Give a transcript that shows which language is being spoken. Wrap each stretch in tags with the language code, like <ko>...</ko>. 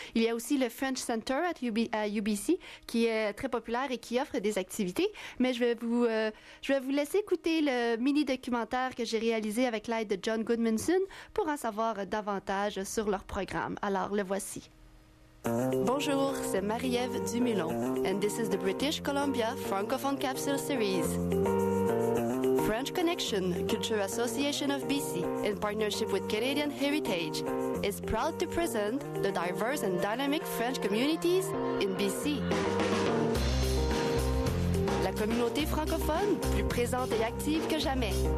<fr>Il y a aussi le French Center à UBC qui est très populaire et qui offre des activités. Mais je vais vous laisser écouter le mini-documentaire que j'ai réalisé avec l'aide de John Goodmanson pour en savoir davantage sur leur programme. Alors, le voici. Bonjour, c'est Marie-Ève Dumoulin.</fr> <en>And this is the British Columbia Francophone Capsule Series. French Connection, Culture Association of BC, in partnership with Canadian Heritage, is proud to present the diverse and dynamic French communities in BC.</en> <fr>La communauté francophone, plus présente et active que jamais.</fr>